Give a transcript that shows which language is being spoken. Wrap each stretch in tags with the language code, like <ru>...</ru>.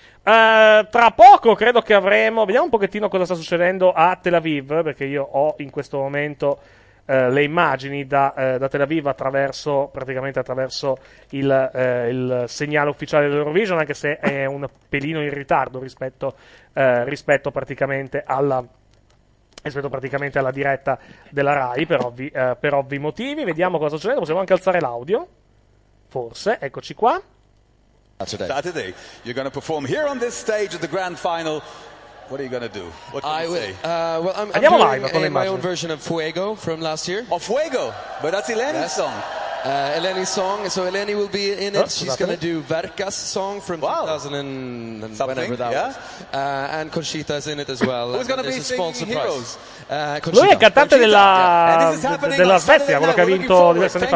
<it>Tra poco credo che avremo, vediamo un pochettino cosa sta succedendo a Tel Aviv, perché io ho in questo momento le immagini da Tel Aviv attraverso, praticamente attraverso il segnale ufficiale dell'Eurovision, anche se è un pelino in ritardo rispetto praticamente alla diretta della Rai, per ovvi motivi. Vediamo cosa succede, possiamo anche alzare l'audio, forse, eccoci qua.</it> <en>Saturday, you're going to perform here on this stage at the grand final. What are you going to do? What can you say? Well, I'm doing my own version of Fuego from last year. Of Fuego, but that's Eleni's song. Eleni's song. So Eleni will be in it. She's going to do Verka's song from 2000 and whenever that was. And Conchita is in it as well. Who's going to be singing Heroes?</en> <it>Lui è cantante della Svezia, quello che ha vinto diverse anni fa.</it>